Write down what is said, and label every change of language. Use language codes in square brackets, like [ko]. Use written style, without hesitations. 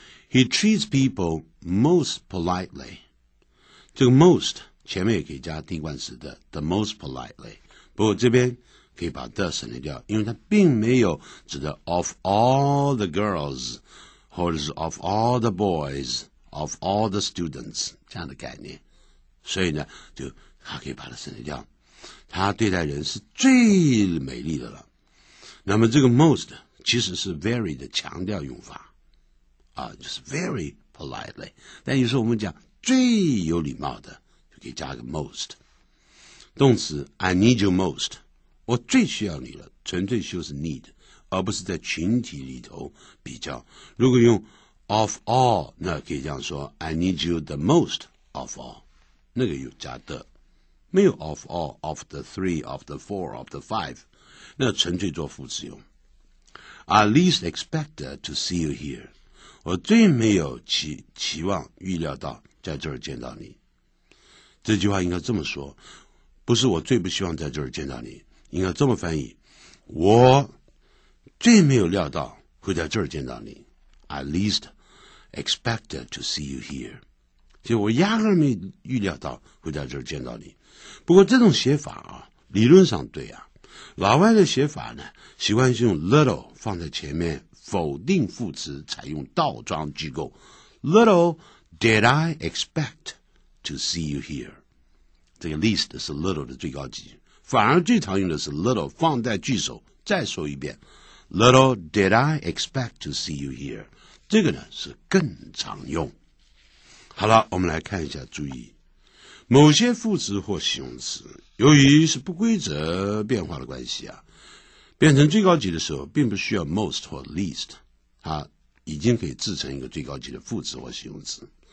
[en] He treats people most politely [zh] 这个 most 前面也可以加定冠词的 the most politely 不过这边可以把 the 省略掉因为它并没有指的 [en] of all the girls [zh] 或者是 [en] of all the boys of all the students [zh] 这样的概念所以呢就它可以把它省略掉它对待人是最美丽的了那么这个 most其实是 very 的强调用法啊，就是 very politely 但有时候我们讲最有礼貌的就可以加个 most 动词 [en] I need you most [zh] 我最需要你了纯粹就是 need 而不是在群体里头比较。如果用 of all, 那可以这样说 [en] I need you the most of all, [zh] 那个有加的。没有 of all, of the three, of the four, of the five, 那纯粹做副词用。 [en] I least expected to see you here, [zh] 我最没有 期望预料到在这儿见到你。这句话应该这么说，不是我最不希望在这儿见到你，应该这么翻译，我最没有料到会在这儿见到你。 [en] I least expected to see you here, [zh] 就我压根没预料到会在这儿见到你。不过这种写法啊，理论上对啊，老外的写法呢，习惯是用 little 放在前面，否定副词采用倒装句构。 [en] Little did I expect to see you here, [zh] 这个 least 是 little 的最高级，反而最常用的是 little 放在句首。再说一遍， [en] Little did I expect to see you here. [zh] 这个呢是更常用。好了，我们来看一下注意。某些副词或形容词由于是不规则变化的关系啊，变成最高级的时候并不需要 most 或 least, 它已经可以制成一个最高级的副词或形容词。